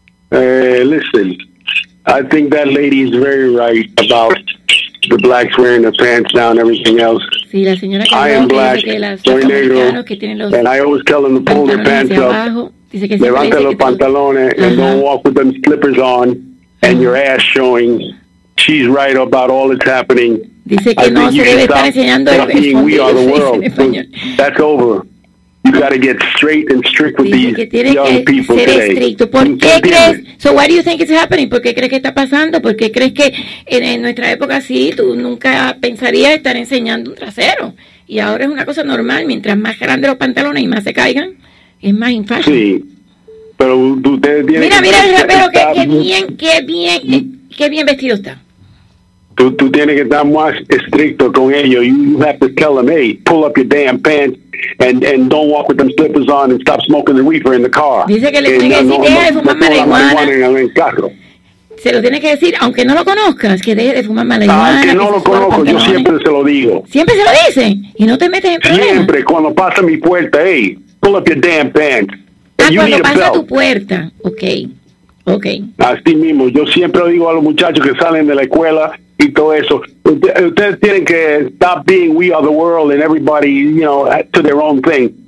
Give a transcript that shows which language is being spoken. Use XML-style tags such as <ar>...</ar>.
<en>Listen, I think that lady is very right about the blacks wearing the pants down, everything else.</en> <es>Sí, la señora que</es> <en>I am black,</en> <es>soy</es> <en>negro, and I always tell them to pull their pants up,</en> <es>levanta los pantalones,</es> <en>and don't walk with them slippers on, and your ass showing. She's right about all that's happening.</en> <es>Dice que no se debe estar enseñando el fondo.</es> <en>We are the world. That's over. You got to get straight and strict with these young people today.</en> <es>Dice que tiene que ser estricto. ¿Por qué crees?</es> <en>So why do you think it's happening?</en> <es>¿Por qué crees que está pasando? ¿Por qué crees que en nuestra época sí, tú nunca pensarías estar enseñando un trasero? Y ahora es una cosa normal. Mientras más grandes los pantalones y más se caigan, es más infame. Sí, pero ustedes tienen Mira el rapero, qué bien vestido está. Tú tienes que estar más estricto con ellos.</es> <en>You have to tell them, hey, pull up your damn pants and don't walk with them slippers on and stop smoking the reefer in the car.</en> <es>Dice que le tiene que decir que deje de fumar marihuana. Se lo tiene que decir, aunque no lo conozcas, que deje de fumar marihuana. Aunque no lo conozco, yo siempre se lo digo. ¿Siempre se lo dice? ¿Y no te metes en problemas? Siempre, cuando pasa mi puerta,</es> <en>hey, pull up your damn pants.</en> <es>Cuando pasa tu puerta, ok. Así mismo, yo siempre lo digo a los muchachos que salen de la escuela y todo eso. Ustedes tienen que</es> <en>stop being we are the world and everybody, you know, to their own thing.</en>